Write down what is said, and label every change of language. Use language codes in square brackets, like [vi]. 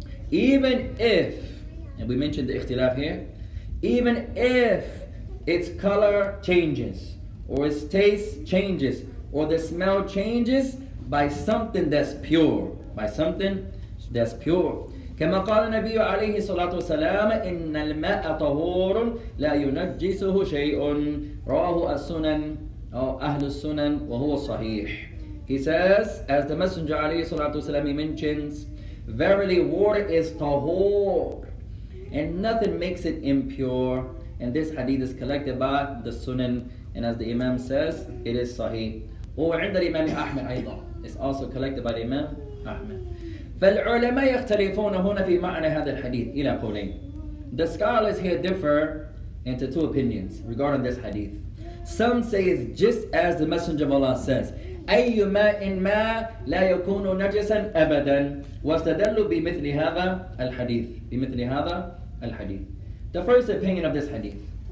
[en] Even if, and we mentioned the ikhtilaf here, even if its color changes, or its taste changes, or the smell changes by something that's pure, by something that's pure. [ar] كما قال النبي عليه الصلاة والسلام إن الماء طهور لا ينجسه شيء رواه السنن أو أهل السنن وهو صحيح. [en] He says, as the Messenger عليه الصلاة والسلام mentions, Verily, water is tahor, and nothing makes it impure. And this hadith is collected by the Sunan, and as the Imam says, it is sahih. [ar] وعند الإمام أحمد أيضا. [en] It's also collected by the Imam Ahmed. [ar] فالعلماء يختلفون هنا في معنى هذا الحديث إلى قولين. [en] The scholars here differ into two opinions regarding this hadith. Some say it's just as the Messenger of Allah says, [ar] أَيُّ مَاءٍ مَا لَا يَكُونُ نَجِسًا أَبَدًا وَاسْتَدَلُّ بِمِثْلِ هَذَا الْحَدِيثِ بِمِثْلِ هَذَا الْحَدِيثِ. [en] The first opinion of this hadith.